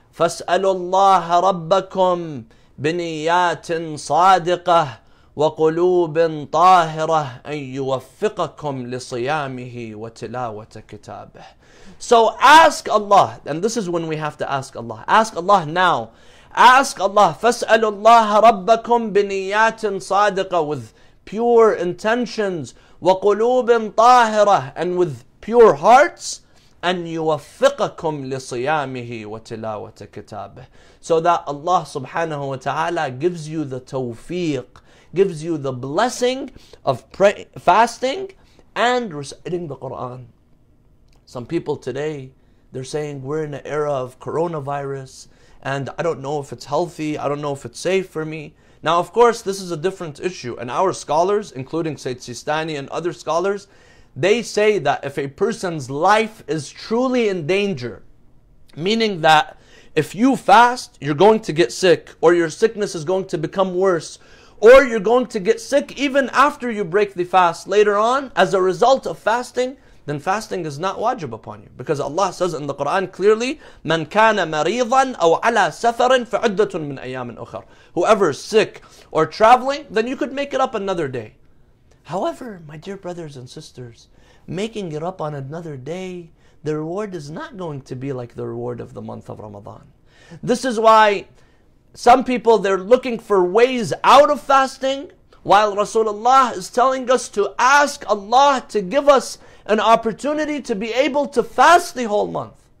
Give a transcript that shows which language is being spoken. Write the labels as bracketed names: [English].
[Arabic] فَاسْأَلُوا اللَّهَ رَبَّكُمْ بِنِيَّاتٍ صَادِقَةٍ وَقُلُوبٍ طَاهِرَةٍ أَن يُوَفِّقَكُمْ لِصِيَامِهِ وَتِلَاوَةَ كِتَابِهِ. [English] So ask Allah, and this is when we have to ask Allah. Ask Allah now. Ask Allah, [Arabic] فَاسْأَلُوا اللَّهَ رَبَّكُمْ بِنِيَّاتٍ صَادِقَةٍ, [English] with pure intentions, [Arabic] وَقُلُوبٍ طَاهِرَةٍ, [English] and with pure hearts, [Arabic] أَن يُوَفِّقَكُمْ لِصِيَامِهِ وَتِلَاوَةَ كِتَابِهِ. [English] So that Allah subhanahu wa ta'ala gives you the tawfiq, gives you the blessing of fasting and reciting the Quran. Some people today, they're saying, we're in an era of coronavirus, and I don't know if it's healthy, I don't know if it's safe for me. Now, of course, this is a different issue. And our scholars, including Sayyid Sistani and other scholars, they say that if a person's life is truly in danger, meaning that if you fast, you're going to get sick, or your sickness is going to become worse, or you're going to get sick even after you break the fast later on as a result of fasting, then fasting is not wajib upon you. Because Allah says in the Quran clearly, [Arabic] مَنْ كَانَ مَرِيضًا أَوْ عَلَى سَفَرٍ فَعُدَّةٌ مِنْ أَيَّامٍ أُخَرٍ. [English] Whoever is sick or traveling, then you could make it up another day. However, my dear brothers and sisters, making it up on another day, the reward is not going to be like the reward of the month of Ramadan. This is why some people, they're looking for ways out of fasting, while Rasulullah is telling us to ask Allah to give us an opportunity to be able to fast the whole month.